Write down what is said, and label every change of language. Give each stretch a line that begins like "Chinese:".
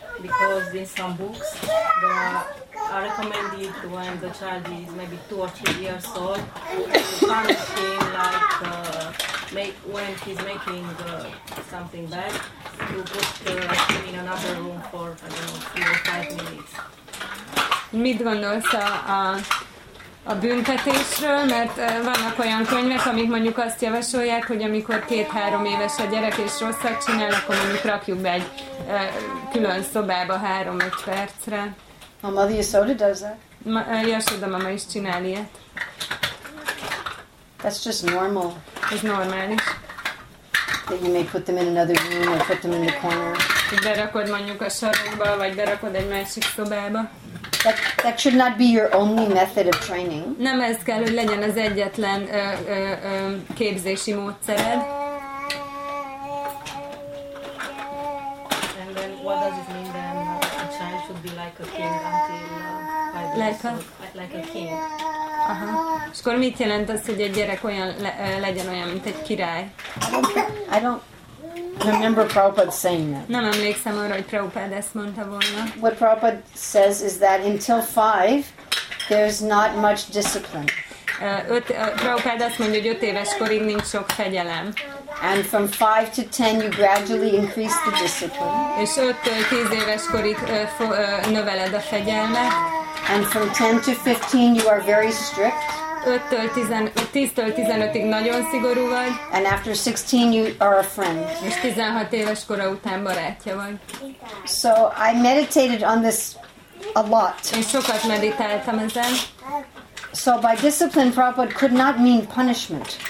English: Because in some books, there are recommended when the child is maybe 2 or 3 years old, to punish him like when he's making something bad, you put him in another room for, I don't know, 3 or 5 minutes.
Hungarian: Mit gondolsz a büntetésről, mert vannak olyan könyvek, amik mondjuk azt javasolják, hogy amikor 2-3 éves a gyerek és rosszat csinál, akkor mondjuk rakjuk be egy külön szobába 3-5 percre.
English: A Mother Yasoda does that?
Hungarian: Yasoda mama is csinál ilyet.
English: That's just normal.
Hungarian: Ez normális.
English: That you may put them in another room or put them in the corner.
Hungarian: Berakod mondjuk a sarokba, vagy berakod egy másik szobába.
English: That should not be your only method of training.
Hungarian: Nem ez kell, hogy legyen az egyetlen képzési módszered.
English: And then what does it mean then a child should be like a king until like a king.
Hungarian: Aha. És akkor mit jelent az, hogy egy gyerek olyan legyen olyan, mint egy király?
English: I don't remember Prabhupada saying that.
Hungarian: Nem emlékszem arra, hogy Prabhupada ezt mondta volna.
English: What Prabhupada says is that until 5, there's not much discipline.
Hungarian: Prabhupada azt mondja, hogy 5 éves korig nincs sok fegyelem.
English: And from 5 to 10, you gradually increase the discipline.
Hungarian: És 5-10 éves korig növeled a fegyelmet.
English: And from 10 to 15, you are very strict.
Hungarian: 10-15-ig nagyon szigorú vagy.
English: And after 16 you are a friend.
Hungarian: És 16 éves kora után barátja vagy.
English: So I meditated on this a lot.
Hungarian: Én sokat meditáltam ezen.
English: So by discipline, Prabhupada could not mean punishment.